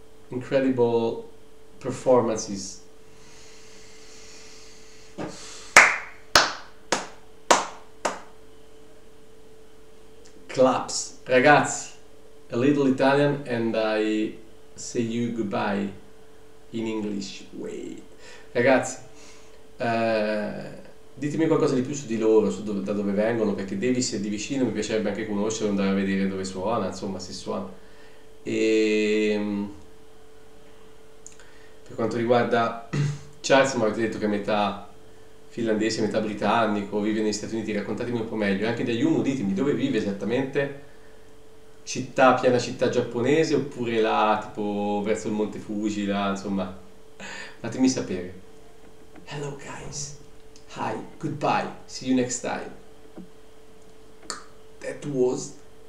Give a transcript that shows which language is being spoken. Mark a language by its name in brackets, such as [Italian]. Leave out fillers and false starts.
[English] Incredible performances. Claps. Ragazzi, a little Italian and I say you goodbye in English. Wait. [Italian] Ragazzi, ditemi qualcosa di più su di loro, su da dove vengono, perché Davie si è di vicino, mi piacerebbe anche conoscerlo, andare a vedere dove suona, insomma, se suona. E per quanto riguarda Charles, mi avete detto che è metà finlandese, metà britannico, vive negli Stati Uniti, raccontatemi un po' meglio. Anche di Ayumu, ditemi, dove vive esattamente? Città, piena città giapponese, oppure là, tipo, verso il Monte Fuji, là, insomma. Fatemi sapere. [English] Hello, guys. Hi, goodbye. See you next time. That was